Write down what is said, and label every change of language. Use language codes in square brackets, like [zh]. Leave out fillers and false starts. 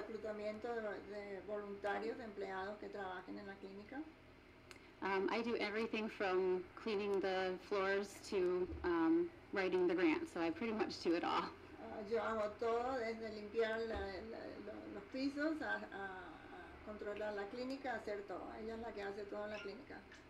[es] Reclutamiento de voluntarios, de empleados que trabajen en la clínica. [en] I do everything from cleaning the floors to writing the grant, so I pretty much do it all. [es] Yo hago todo, desde limpiar los pisos a controlar la clínica, hacer todo. Ella es la que hace todo en la clínica.